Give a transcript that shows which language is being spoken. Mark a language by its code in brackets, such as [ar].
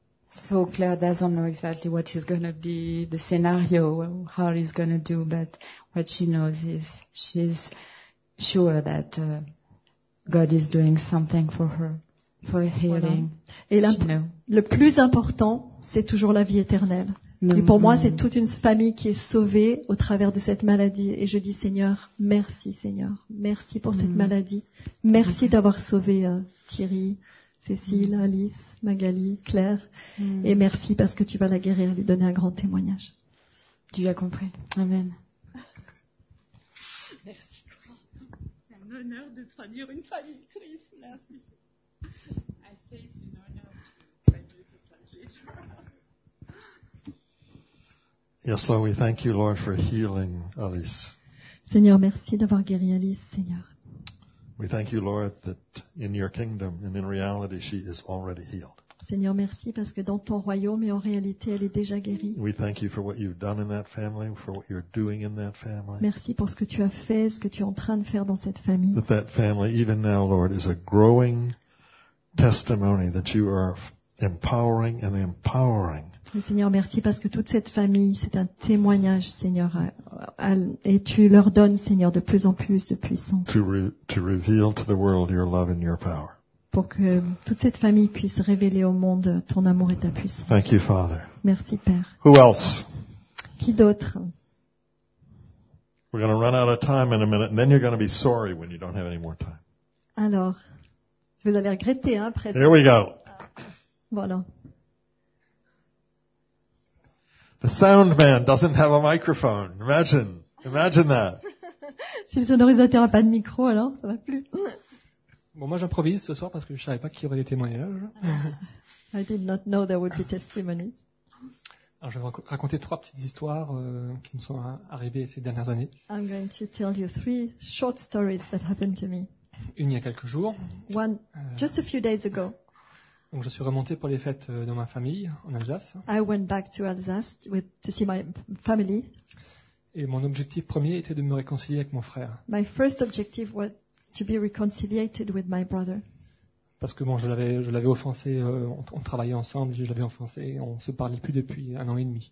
[en] So Claire doesn't know exactly what is going to be the scenario, how he's going to do, but what she knows is she's sure that God is doing something for her, for healing. [fr] Voilà. Et le plus important, c'est toujours la vie éternelle. Et pour moi, c'est toute une famille qui est sauvée au travers de cette maladie. Et je dis, Seigneur, merci pour cette maladie. Merci d'avoir sauvé Thierry, Cécile, Alice, Magali, Claire. Et merci parce que tu vas la guérir et lui donner un grand témoignage. Tu as compris. Amen. Merci. C'est un honneur de traduire une famille triste. Merci. [en] I say it's an honor to [fr] traduire une famille triste. [en] Yes, Lord, we thank you, Lord, for healing Alice. [fr] Seigneur, merci d'avoir guéri Alice, Seigneur. [en] We thank you, Lord, that in your kingdom and in reality, she is already healed. [fr] Seigneur, merci parce que dans ton royaume et en réalité, elle est déjà guérie. [en] We thank you for what you've done in that family, for what you're doing in that family. [fr] Merci pour ce que tu as fait, ce que tu es en train de faire dans cette famille. [en] That family, even now, Lord, is a growing testimony that you are empowering and empowering. [fr] Seigneur, merci parce que toute cette famille, c'est un témoignage, Seigneur, et tu leur donnes, Seigneur, de plus en plus de puissance. [en] To reveal to the world your love and your power. [fr] Pour que toute cette famille puisse révéler au monde ton amour et ta puissance. [en] Thank you, Father. [fr] Merci, Père. [en] Who else? [fr] Qui d'autre? [en] We're going to run out of time in a minute, and then you're going to be sorry when you don't have any more time. [fr] Alors, vous allez regretter, hein, après. [en] Here we go. [fr] Voilà. [en] The sound man doesn't have a microphone. Imagine that. [fr] Si le sonorisateur n'a pas de micro, alors ça va plus. Bon, moi j'improvise ce soir parce que je savais pas qu'il y aurait des témoignages. [en] I did not know there would be testimonies. [fr] Alors je vais vous raconter trois petites histoires qui me sont arrivées ces dernières années. [en] I'm going to tell you three short stories that happened to me. [fr] Une il y a quelques jours. [en] One just a few days ago. [fr] Donc je suis remonté pour les fêtes dans ma famille en Alsace. [en] I went back to Alsace to see my family. [fr] Et mon objectif premier était de me réconcilier avec mon frère. [en] My first objective was to be reconciled with my brother. [fr] Parce que bon, je l'avais offensé, on travaillait ensemble, je l'avais offensé, on se parlait plus depuis un an et demi.